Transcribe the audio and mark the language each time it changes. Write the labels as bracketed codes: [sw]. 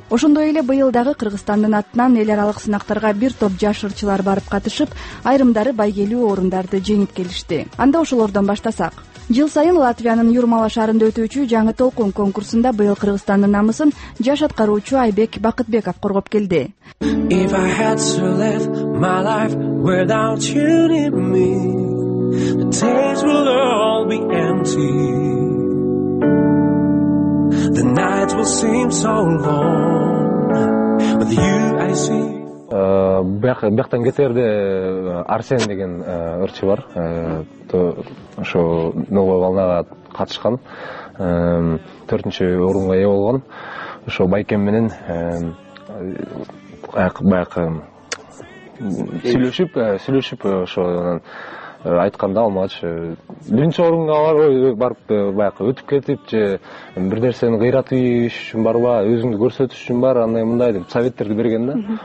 [ky] Ошондой эле быйыл дагы Кыргызстандын атынан эл аралык сынактарга бир топ жаш ырчылар барып катышып, айрымдары байгелүү орундарды жеңип келишти. Анда ошолордон баштасак. Жыл сайын Латвиянын Юрмала шаарында өтүүчү жаңы толкун конкурсунда быйыл Кыргызстандын намысын жаш аткаруучу Айбек Бакытбеков коргоп келди. [en] If I had to live my life without you near me, the days will all be empty. The nights will seem so long with you I see. [ky] Бияктан кетерде Арсен деген ырчы бар, ошо нолой волнага катышкан, 4-нчү орунга ээ болгон. Ошо байкем менен баягы сүйлөшүп ошо анан айтканда ал мага биринчи орунга барып баягы өтүп кетип же бир нерсени кыйратып ийиш үчүн барба, өзүңдү көрсөтүш үчүн бар, андай мындай деп советтерди берген да.